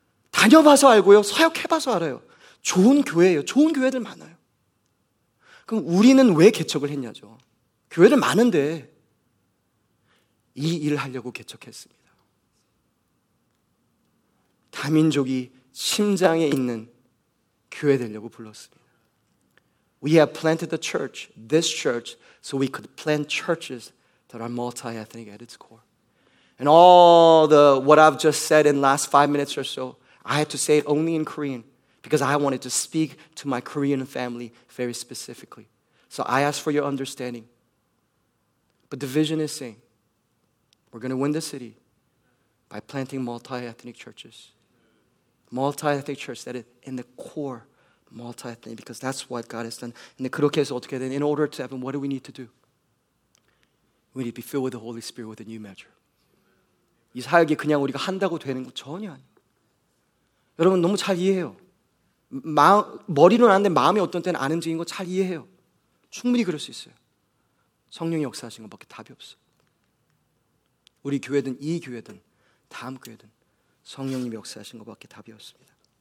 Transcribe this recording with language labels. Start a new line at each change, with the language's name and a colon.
Korean: 다녀봐서 알고요, 사역해봐서 알아요. 좋은 교회예요. 좋은 교회들 많아요. 그럼 우리는 왜 개척을 했냐죠. 교회는 많은데 이 일을 하려고 개척했습니다. 다민족이 심장에 있는 교회 되려고 불렀습니다.
English: We have planted the church, this church, so we could plant churches that are multi-ethnic at its core. And all the what I've just said in the last 5 minutes or so, I had to say it only in Korean because I wanted to speak to my Korean family very specifically. So I ask for your understanding. But the vision is saying, we're going to win the city by planting multi-ethnic churches. Multi-ethnic church, that is in the core, multi-ethnic, because that's what God has done.
Korean: And 그렇게 해서 어떻게 해야 되냐?
English: In order to happen, what do we need to do? We need to be filled with the Holy Spirit with a new measure.
Korean: 이 사역이 그냥 우리가 한다고 되는 거 전혀 아니에요. 여러분 너무 잘 이해해요. 머리는 아는데 마음이 어떤 때는 안 움직인 거 잘 이해해요. 충분히 그럴 수 있어요. 성령이 역사하신 것밖에 답이 없어. 우리 교회든 이 교회든 다음 교회든 성령님이 역사하신 것밖에 답이 없습니다.